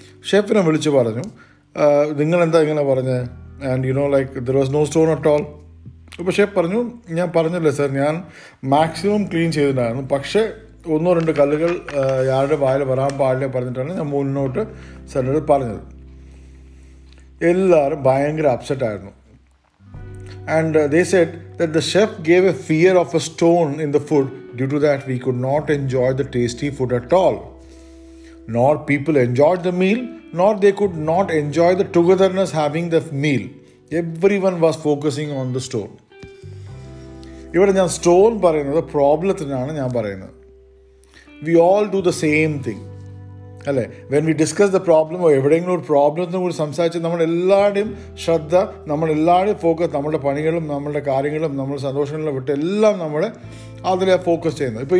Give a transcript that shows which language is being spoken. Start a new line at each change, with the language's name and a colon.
Malayalam: ഷെഫിനെ വിളിച്ച് പറഞ്ഞു നിങ്ങളെന്താ ഇങ്ങനെ പറഞ്ഞത്,
English: And you know like there was no stone at all.
Malayalam: അപ്പോൾ ഷെഫ് പറഞ്ഞു ഞാൻ പറഞ്ഞല്ലേ സർ, ഞാൻ മാക്സിമം ക്ലീൻ ചെയ്തിട്ടുണ്ടായിരുന്നു, പക്ഷേ ഒന്നോ രണ്ട് കല്ലുകൾ ആരുടെ വായിൽ വരാൻ പാടില്ല പറഞ്ഞിട്ടാണ് ഞാൻ മുന്നോട്ട് സാറിനോട് പറഞ്ഞത്. എല്ലാവരും ഭയങ്കര അപ്സെറ്റ് ആയിരുന്നു.
English: And they said that the chef gave a fear of a stone in the food. Due to that, we could not enjoy the tasty food at all. Nor people enjoyed the meal, nor they could not enjoy the togetherness having the meal. Everyone was focusing on the stone.
Malayalam: ഇവിടെ ഞാൻ stone പറയുന്നത് പ്രോബ്ലത്തിനാണ് ഞാൻ പറയുന്നത്.
English: We all do the same thing.
Malayalam: അല്ലേ,
English: when we discuss the problem
Malayalam: എവിടെയെങ്കിലും ഒരു പ്രോബ്ലത്തിനും കൂടി സംസാരിച്ച് നമ്മളെല്ലാവരുടെയും ശ്രദ്ധ, നമ്മളെല്ലാവരുടെയും ഫോക്കസ്, നമ്മുടെ പണികളും നമ്മളുടെ കാര്യങ്ങളും നമ്മുടെ സന്തോഷങ്ങളും വിട്ട് എല്ലാം നമ്മൾ അതിലെ ഫോക്കസ് ചെയ്യുന്നത്.